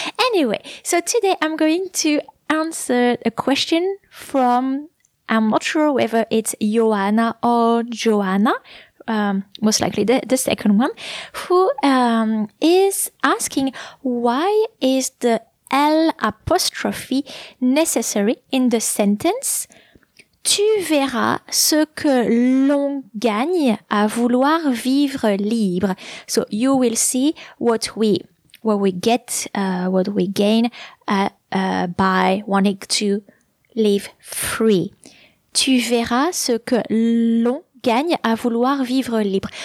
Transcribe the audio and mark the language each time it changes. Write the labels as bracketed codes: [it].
[en] Anyway, so today I'm going to answer a question from, I'm not sure whether it's Joanna or Joanna, most likely the second one, who is asking, why is the L apostrophe necessary in the sentence? [fr] Tu verras ce que l'on gagne à vouloir vivre libre. [en] So you will see what we gain by wanting to live free. [fr] Tu verras ce que l'on gagne à vouloir vivre libre.